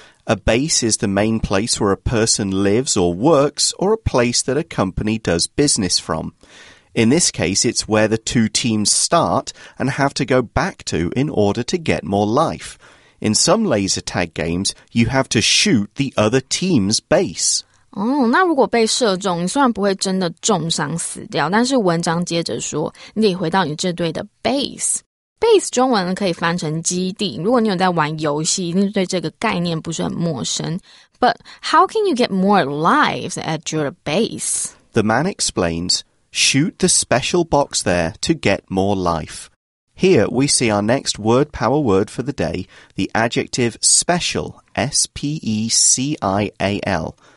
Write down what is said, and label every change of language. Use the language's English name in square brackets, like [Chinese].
[English] A base is the main place where a person lives or works, or a place that a company does business from. In this case, it's where the two teams start and have to go back to in order to get more life. In some laser tag games, you have to shoot the other team's base. [Chinese] 哦，那如果被射中，你虽然不会真的重伤死掉，但是文章接着说，你得回到你这队的 base。 base 中文可以翻成基地，如果你有在玩游戏，一定对这个概念不是很陌生。 [English] But how can you get more lives at your base? The man explains, shoot the special box there to get more life. Here we see our next word power word for the day, the adjective special, S-P-E-C-I-A-L.